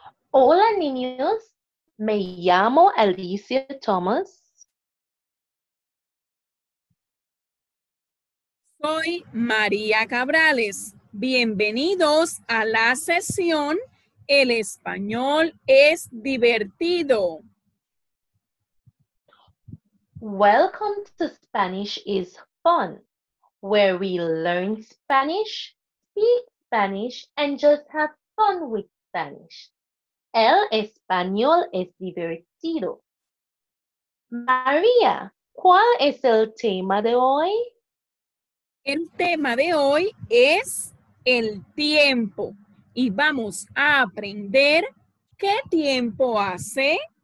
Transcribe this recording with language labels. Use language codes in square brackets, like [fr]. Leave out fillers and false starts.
[es] Hola niños, me llamo Alicia Thomas. Soy María Cabrales. Bienvenidos a la sesión El español es divertido. [en] Welcome to Spanish is Fun, where we learn Spanish, speak Spanish, and just have fun with Spanish. [es] El español es divertido. María, ¿cuál es el tema de hoy? El tema de hoy es el tiempo y vamos a aprender qué tiempo hace.